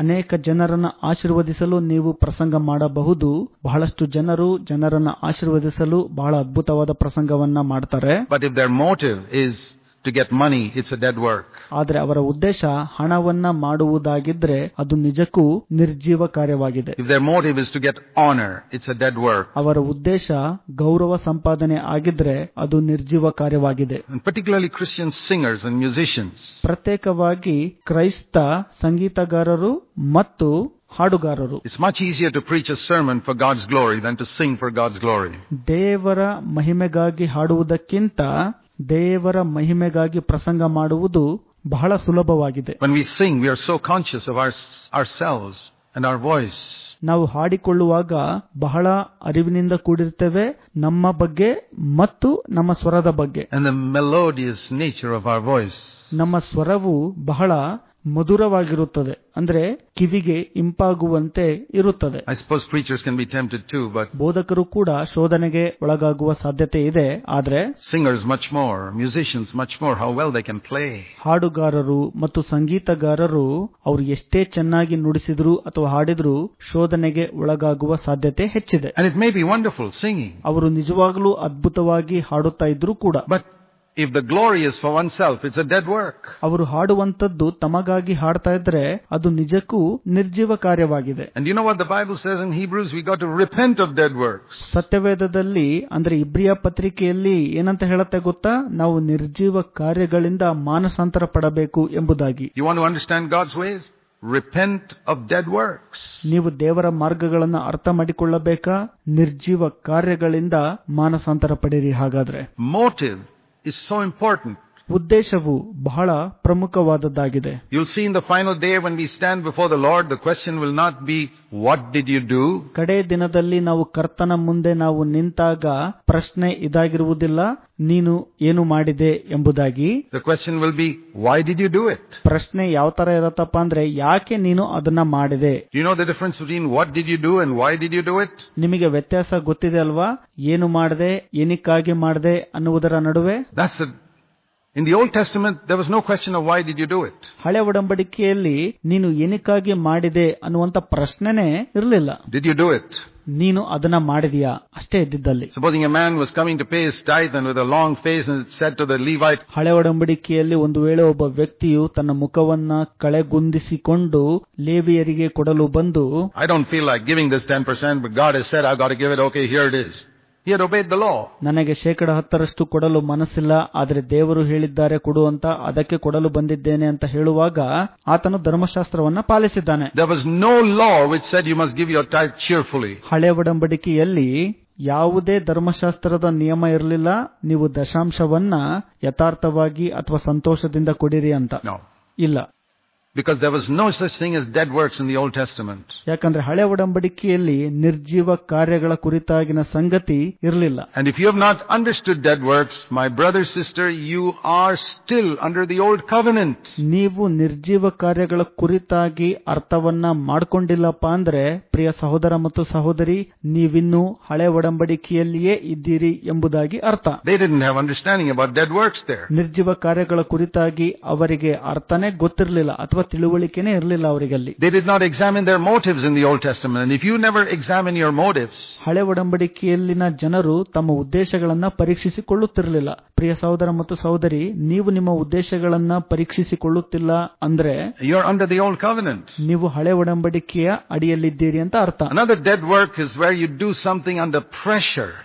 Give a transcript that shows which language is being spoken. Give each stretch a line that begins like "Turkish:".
Kannada: ಅನೇಕ ಜನರನ್ನು ಆಶೀರ್ವದಿಸಲು ನೀವು ಪ್ರಸಂಗ ಮಾಡಬಹುದು, ಬಹಳಷ್ಟು ಜನರನ್ನು ಆಶೀರ್ವದಿಸಲು ಬಹಳ ಅದ್ಭುತವಾದ ಪ್ರಸಂಗವನ್ನ ಮಾಡ್ತಾರೆ.
English: But if their motive is to get money, it's a dead work.
Kannada: ಆದರೆ ಅವರ ಉದ್ದೇಶ ಹಣವನ್ನು ಮಾಡುವುದಾಗಿದ್ರೆ ಅದು ನಿಜಕ್ಕೂ ನಿರ್ಜೀವ ಕಾರ್ಯವಾಗಿದೆ.
English: If their motive is to get honor, it's a dead work.
Kannada: ಅವರ ಉದ್ದೇಶ ಗೌರವ ಸಂಪಾದನೆ ಆಗಿದ್ರೆ ಅದು ನಿರ್ಜೀವ ಕಾರ್ಯವಾಗಿದೆ.
English: Particularly Christian singers and musicians.
Kannada: ಪ್ರತ್ಯೇಕವಾಗಿ ಕ್ರೈಸ್ತ ಸಂಗೀತಗಾರರು ಮತ್ತು ಹಾಡುಗಾರರು.
English: It's much easier to preach a sermon for God's glory than to sing for God's glory.
Kannada: ದೇವರ ಮಹಿಮೆಗಾಗಿ ಹಾಡುವುದಕ್ಕಿಂತ ದೇವರ ಮಹಿಮೆಗಾಗಿ ಪ್ರಸಂಗ ಮಾಡುವುದು ಬಹಳ ಸುಲಭವಾಗಿದೆ.
English: When we sing, we are so conscious of ourselves and our voice.
Kannada: ನಾವು ಹಾಡಿಕೊಳ್ಳುವಾಗ ಬಹಳ ಅರಿವಿನಿಂದ ಕೂಡಿರ್ತೇವೆ, ನಮ್ಮ ಬಗ್ಗೆ ಮತ್ತು ನಮ್ಮ ಸ್ವರದ ಬಗ್ಗೆ.
English: And the melodious nature of our voice.
Kannada: ನಮ್ಮ ಸ್ವರವು ಬಹಳ ಮಧುರವಾಗಿರುತ್ತದೆ, ಅಂದ್ರೆ ಕಿವಿಗೆ ಇಂಪಾಗುವಂತೆ ಇರುತ್ತದೆ.
English: I suppose preachers can be tempted to, but
Kannada: ಬೋಧಕರು ಕೂಡ ಶೋಧನೆಗೆ ಒಳಗಾಗುವ ಸಾಧ್ಯತೆ ಇದೆ. ಆದ್ರೆ
English: Singers much more, musicians much more, how well they can play.
Kannada: ಹಾಡುಗಾರರು ಮತ್ತು ಸಂಗೀತಗಾರರು ಅವರು ಎಷ್ಟೇ ಚೆನ್ನಾಗಿ ನುಡಿಸಿದ್ರು ಅಥವಾ ಹಾಡಿದ್ರು ಶೋಧನೆಗೆ ಒಳಗಾಗುವ ಸಾಧ್ಯತೆ ಹೆಚ್ಚಿದೆ.
English: and it may be wonderful singing,
Kannada: ಅವರು ನಿಜವಾಗ್ಲೂ ಅದ್ಭುತವಾಗಿ ಹಾಡುತ್ತಾ ಇದ್ರು ಕೂಡ.
English: But if the glory is for oneself, it's a dead work.
Kannada: ಅವರು ಹಾಡುವಂತದ್ದು ತಮಗಾಗಿ ಹಾಡ್ತಾ ಇದ್ರೆ ಅದು ನಿಜಕ್ಕೂ ನಿರ್ಜೀವ ಕಾರ್ಯವಾಗಿದೆ.
English: And you know what the Bible says in Hebrews, we got to repent of dead works.
Kannada: ಸತ್ಯವೇದದಲ್ಲಿ ಅಂದ್ರೆ ಇಬ್ರಿಯ ಪತ್ರಿಕೆಯಲ್ಲಿ ಏನಂತ ಹೇಳುತ್ತೆ ಗೊತ್ತಾ, ನಾವು ನಿರ್ಜೀವ ಕಾರ್ಯಗಳಿಂದ ಮಾನಸಾಂತರ ಪಡಬೇಕು ಎಂಬುದಾಗಿ.
English: You want to understand God's ways? Repent of dead works.
Kannada: ನೀವು ದೇವರ ಮಾರ್ಗಗಳನ್ನು ಅರ್ಥ ಮಾಡಿಕೊಳ್ಳಬೇಕಾ, ನಿರ್ಜೀವ ಕಾರ್ಯಗಳಿಂದ ಮಾನಸಾಂತರ ಪಡೀರಿ. ಹಾಗಾದ್ರೆ
English: motive is so important.
Kannada: ಉದ್ದೇಶವು ಬಹಳ ಪ್ರಮುಖವಾದದ್ದಾಗಿದೆ.
English: You see in the final day when we stand before the Lord, the question will not be what did you do.
Kannada: ಕಡೇ ದಿನದಲ್ಲಿ ನಾವು ಕರ್ತನ ಮುಂದೆ ನಾವು ನಿಂತಾಗ ಪ್ರಶ್ನೆ ಇದಾಗಿರುವುದಿಲ್ಲ, ನೀನು ಏನು ಮಾಡಿದೆ ಎಂಬುದಾಗಿ.
English: The question will be why did you do it.
Kannada: ಪ್ರಶ್ನೆ ಯಾವ ತರ ಇರತ್ತಪ್ಪ ಅಂದ್ರೆ ಯಾಕೆ ನೀನು ಅದನ್ನ ಮಾಡಿದೆ.
English: You know the difference between what did you do and why did you do it.
Kannada: ನಿಮಗೆ ವ್ಯತ್ಯಾಸ ಗೊತ್ತಿದೆ ಅಲ್ವಾ, ಏನು ಮಾಡಿದೆ ಏನಕ್ಕಾಗಿ ಮಾಡಿದೆ ಅನ್ನುವುದರ ನಡುವೆ.
English: In the Old Testament, there was no question of why did you do it.
Kannada: ಹಳೆ ಒಡಂಬಡಿಕೆಯಲ್ಲಿ ನೀನು ಏನಕ್ಕಾಗಿ ಮಾಡಿದೆ ಅನ್ನುವಂತ ಪ್ರಶ್ನೆನೆ ಇರಲಿಲ್ಲ.
English: Did you do it?
Kannada: ನೀನು ಅದನ್ನ ಮಾಡಿದೀಯಾ ಅಷ್ಟೇ ಇದ್ದಿದ್ದಲ್ಲಿ.
English: Supposing a man was coming to pay his tithe and with a long face and said to the Levite.
Kannada: ಹಳೆ ಒಡಂಬಡಿಕೆಯಲ್ಲಿ ಒಂದು ವೇಳೆ ಒಬ್ಬ ವ್ಯಕ್ತಿಯು ತನ್ನ ಮುಖವನ್ನ ಕಳೆಗುಂದಿಸಿಕೊಂಡು ಲೇವಿಯರಿಗೆ ಕೊಡಲು ಬಂದು,
English: I don't feel like giving this 10%, but God has said I got to give it. Okay, here it is. He had obeyed the law.
Kannada: ನನಗೆ ಶೇಕಡ 10% ಕೊಡಲು ಮನಸ್ಸಿಲ್ಲ, ಆದರೆ ದೇವರು ಹೇಳಿದ್ದಾರೆ ಕೊಡು ಅಂತ, ಅದಕ್ಕೆ ಕೊಡಲು ಬಂದಿದ್ದೇನೆ ಅಂತ ಹೇಳುವಾಗ ಆತನು ಧರ್ಮಶಾಸ್ತ್ರವನ್ನ ಪಾಲಿಸಿದ್ದಾನೆ.
English: There was no law which said you must give your tithe cheerfully.
Kannada: ಹಳೆ ಒಡಂಬಡಿಕೆಯಲ್ಲಿ ಯಾವುದೇ ಧರ್ಮಶಾಸ್ತ್ರದ ನಿಯಮ ಇರಲಿಲ್ಲ, ನೀವು ದಶಾಂಶವನ್ನ ಯಥಾರ್ಥವಾಗಿ ಅಥವಾ ಸಂತೋಷದಿಂದ ಕೊಡಿರಿ ಅಂತ. ಇಲ್ಲ,
English: because there was no such thing as dead works in the Old Testament.
Kannada: ಯಾಕಂದ್ರೆ ಹಳೆ ಒಡಂಬಡಿಕೆಯಲ್ಲಿ ನಿರ್ಜೀವ ಕಾರ್ಯಗಳ ಕುರಿತಾಗಿನ ಸಂಗತಿ ಇರಲಿಲ್ಲ.
English: And if you have not understood dead works, my brother, sister, you are still under the old covenant.
Kannada: ನೀವು ನಿರ್ಜೀವ ಕಾರ್ಯಗಳ ಕುರಿತಾಗಿ ಅರ್ಥವನ್ನ ಮಾಡಿಕೊಂಡಿಲ್ಲಪ್ಪ ಅಂದ್ರೆ, ಪ್ರಿಯ ಸಹೋದರ ಮತ್ತು ಸಹೋದರಿ, ನೀವಿನ್ನೂ ಹಳೆ ಒಡಂಬಡಿಕೆಯಲ್ಲಿಯೇ ಇದ್ದೀರಿ ಎಂಬುದಾಗಿ ಅರ್ಥ.
English: They didn't have understanding about dead works there.
Kannada: ನಿರ್ಜೀವ ಕಾರ್ಯಗಳ ಕುರಿತಾಗಿ ಅವರಿಗೆ ಅರ್ಥನೇ ಗೊತ್ತಿರಲಿಲ್ಲ ಅಥವಾ ತಿಳುವಳಿಕೆನೇ ಇರಲಿಲ್ಲ ಅವರಿಗಲ್ಲಿ.
English: They did not examine their motives in the Old Testament. And if you never examine your motives,
Kannada: ಹಳೆ ಒಡಂಬಡಿಕೆಯಲ್ಲಿನ ಜನರು ತಮ್ಮ ಉದ್ದೇಶಗಳನ್ನು ಪರೀಕ್ಷಿಸಿಕೊಳ್ಳುತ್ತಿರಲಿಲ್ಲ. ಪ್ರಿಯ ಸಹೋದರ ಮತ್ತು ಸಹೋದರಿ, ನೀವು ನಿಮ್ಮ ಉದ್ದೇಶಗಳನ್ನು ಪರೀಕ್ಷಿಸಿಕೊಳ್ಳುತ್ತಿಲ್ಲ ಅಂದ್ರೆ,
English: you are under the old covenant,
Kannada: ನೀವು ಹಳೆ ಒಡಂಬಡಿಕೆಯ ಅಡಿಯಲ್ಲಿದ್ದೀರಿ ಅಂತ ಅರ್ಥ.
English: Another dead work is where you do something under pressure.